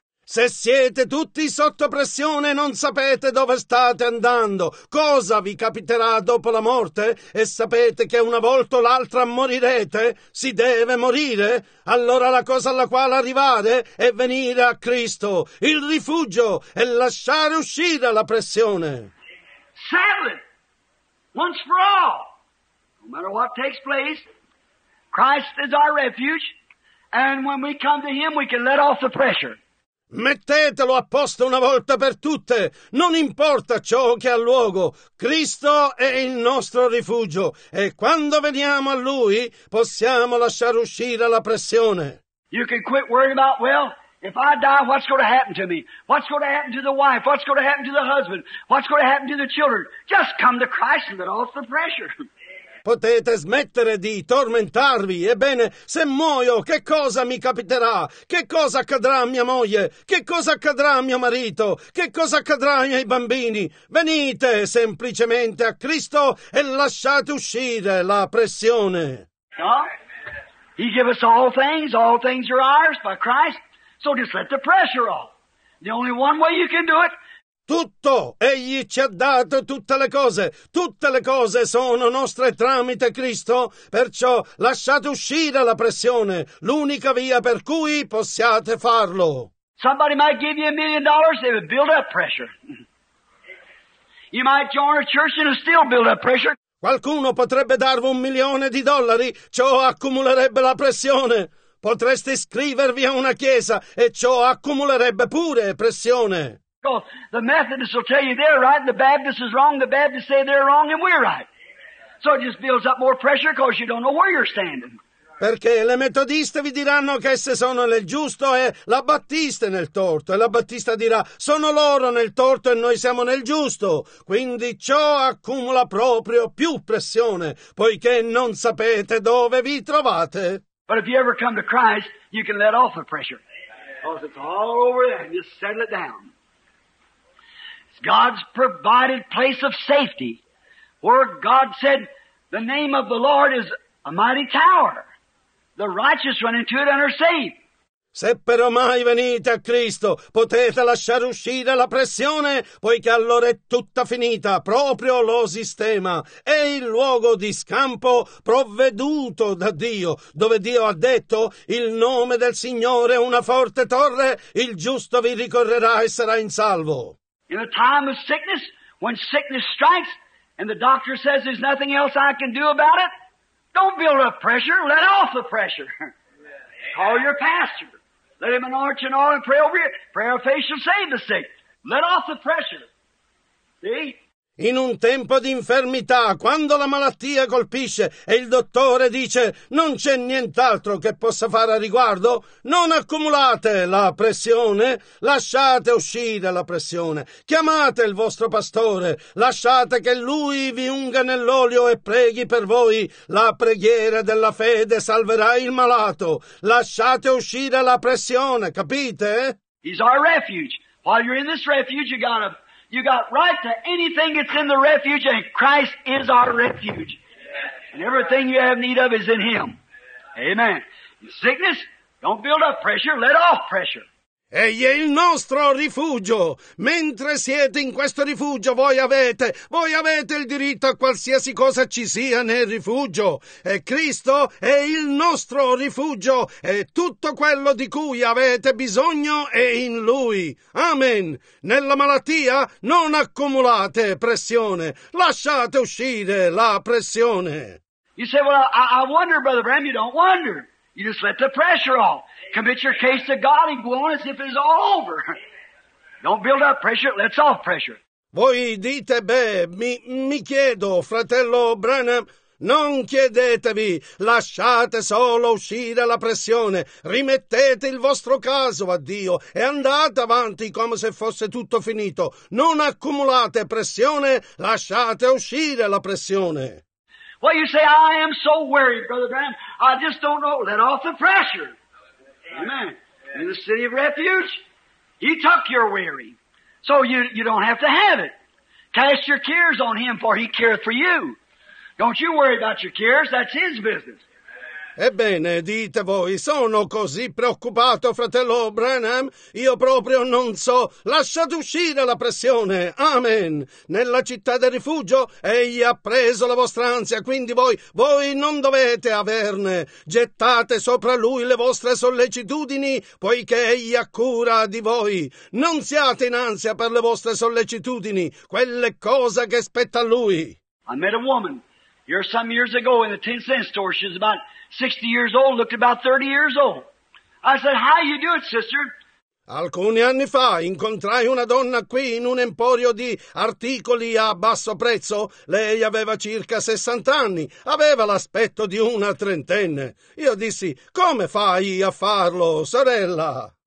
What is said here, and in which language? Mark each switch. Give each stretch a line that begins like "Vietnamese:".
Italian: Se siete tutti sotto pressione e non sapete dove state andando, cosa vi capiterà dopo la morte e sapete che una volta o l'altra morirete, si deve morire, allora la cosa alla quale arrivare è venire a Cristo, il rifugio e lasciare uscire la pressione.
English: Sadly, once for all, no matter what takes place, Christ is our refuge and when we come to Him we can let off the pressure.
Italian: Mettetelo a posto una volta per tutte, non importa ciò che ha luogo, Cristo è il nostro rifugio e quando veniamo a Lui possiamo lasciare uscire la pressione.
English: You can quit worrying about, well, if I die, what's going to happen to me? What's going to happen to the wife? What's going to happen to the husband? What's going to happen to the children? Just come to Christ and let off the pressure.
Italian: Potete smettere di tormentarvi. Ebbene, se muoio, che cosa mi capiterà? Che cosa accadrà a mia moglie? Che cosa accadrà a mio marito? Che cosa accadrà ai miei bambini? Venite semplicemente a Cristo e lasciate uscire la pressione.
English: No? He gave us all things are ours by Christ. So just let the pressure off. The only one way you can do it.
Italian: Tutto, egli ci ha dato tutte le cose sono nostre tramite Cristo, perciò lasciate uscire la pressione, l'unica via per cui possiate farlo.
English: Somebody might give you $1 million, they would build up pressure. You might join a church and still build up pressure.
Italian: Qualcuno potrebbe darvi $1 million, ciò accumulerebbe la pressione. Potreste iscrivervi a una chiesa e ciò accumulerebbe pure pressione.
English: The Methodists will tell you they're right, and the Baptist is wrong. The Baptists say they're wrong, and we're right. So it just builds up more pressure because you don't know where you're standing.
Italian: Perché le metodiste vi diranno che esse sono nel giusto e la battista nel torto, e la battista dirà sono loro nel torto e noi siamo nel giusto. Quindi ciò accumula proprio più pressione, poiché non sapete dove vi trovate.
English: But if you ever come to Christ, you can let off the pressure, because it's all over there, and just settle it down. God's provided place of safety, where God said, the name of the Lord is a mighty tower. The righteous run into it and are safe.
Italian: Se però mai venite a Cristo, potete lasciare uscire la pressione, poiché allora è tutta finita, proprio lo sistema. È il luogo di scampo provveduto da Dio, dove Dio ha detto, il nome del Signore è una forte torre, il giusto vi ricorrerà e sarà in salvo.
English: In a time of sickness, when sickness strikes, and the doctor says there's nothing else I can do about it, don't build up pressure, let off the pressure. Call your pastor. Let him anoint you and oil and pray over you. Prayer of faith shall save the sick. Let off the pressure. See?
Italian: In un tempo di infermità, quando la malattia colpisce e il dottore dice non c'è nient'altro che possa fare a riguardo, non accumulate la pressione, lasciate uscire la pressione. Chiamate il vostro pastore, lasciate che lui vi unga nell'olio e preghi per voi. La preghiera della fede salverà il malato. Lasciate uscire la pressione, capite?
English: He's our refuge. While you're in this refuge, you got right to anything that's in the refuge, and Christ is our refuge. And everything you have need of is in Him. Amen. In sickness, don't build up pressure, let off pressure.
Italian: Egli è il nostro rifugio. Mentre siete in questo rifugio, voi avete il diritto a qualsiasi cosa ci sia nel rifugio. E Cristo è il nostro rifugio, e tutto quello di cui avete bisogno è in Lui. Amen. Nella malattia non accumulate pressione. Lasciate uscire la pressione.
English: You say, well, I wonder, Brother Bram, you don't wonder. You just let the pressure off. Commit your case to God and go on as if it's all over. Don't build up pressure, let's off pressure.
Italian: Voi dite, mi chiedo, fratello Branham, non chiedetevi, lasciate solo uscire la pressione, rimettete il vostro caso a Dio e andate avanti come se fosse tutto finito. Non accumulate pressione, lasciate uscire la pressione.
English: Well, you say, I am so worried, Brother Branham, I just don't know, let off the pressure. Amen. In the city of refuge, He took your weary. So you don't have to have it. Cast your cares on Him, for He careth for you. Don't you worry about your cares, that's His business.
Italian: Ebbene, dite voi, sono così preoccupato, fratello Branham, io proprio non so, lasciate uscire la pressione, amen. Nella città del rifugio, egli ha preso la vostra ansia, quindi voi non dovete averne, gettate sopra lui le vostre sollecitudini, poiché egli ha cura di voi. Non siate in ansia per le vostre sollecitudini, quelle cose che spetta lui.
English: I met a woman here some years ago in the 10-cent store. She's about 60 years old, looked about 30 years old. I said, how you do it, sister?
Italian: Alcuni anni fa incontrai una donna qui in un emporio di articoli a basso prezzo. Lei aveva circa 60 anni, aveva l'aspetto di una trentenne. Io dissi, come fai a farlo, sorella?